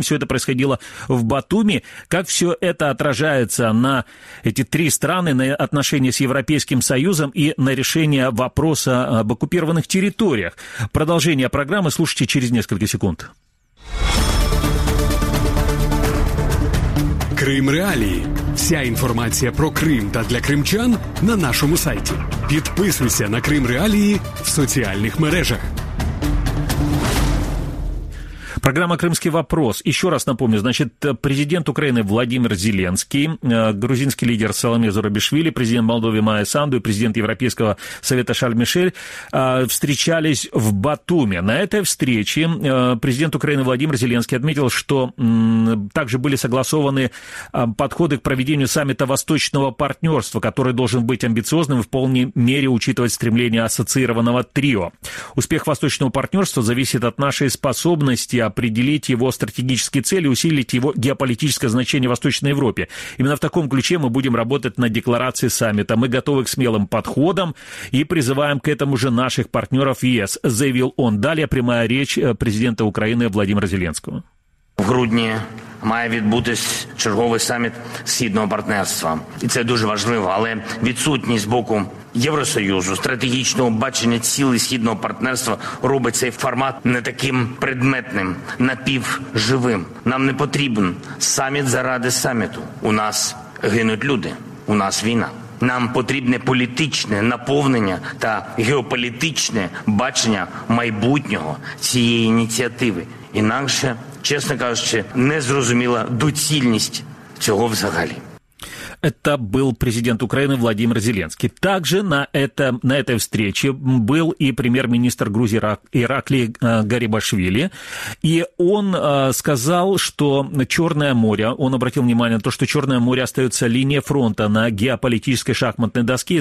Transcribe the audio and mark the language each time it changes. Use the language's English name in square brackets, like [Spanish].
[Russian] Все это происходило в Батуми. Как все это отражается на эти три страны, на отношения с Европейским Союзом и на решение вопроса об оккупированных территориях? Продолжение программы слушайте через несколько секунд. [Ukrainian] Крым Реалії. Вся інформація про Крим та для кримчан на нашому сайті. Підписуйся на Крим Реалії в соціальних мережах. [Russian] Программа «Крымский вопрос». Еще раз напомню, президент Украины Владимир Зеленский, грузинский лидер Саломе Зурабишвили, президент Молдовы Майя Санду и президент Европейского совета Шарль Мишель встречались в Батуми. На этой встрече президент Украины Владимир Зеленский отметил, что также были согласованы подходы к проведению саммита Восточного партнерства, который должен быть амбициозным и в полной мере учитывать стремление ассоциированного трио. Успех Восточного партнерства зависит от нашей способности определить его стратегические цели, усилить его геополитическое значение в Восточной Европе. Именно в таком ключе мы будем работать над декларацией саммита. Мы готовы к смелым подходам и призываем к этому же наших партнеров ЕС, заявил он. Далее прямая речь президента Украины Владимира Зеленского. [Ukrainian] В грудні має відбутись черговий саміт Східного партнерства. І це дуже важливо, але відсутність з боку Євросоюзу стратегічного бачення цілей Східного партнерства робить цей формат не таким предметним, напівживим. Нам не потрібен саміт заради саміту. У нас гинуть люди, у нас війна. Нам потрібне політичне наповнення та геополітичне бачення майбутнього цієї ініціативи. Інакше, чесно кажучи, не зрозуміла доцільність цього взагалі. [Russian] Это был президент Украины Владимир Зеленский. Также на этой встрече был и премьер-министр Грузии Ираклий Гарибашвили. И он сказал, что Черное море, он обратил внимание на то, что Черное море остается линией фронта на геополитической шахматной доске.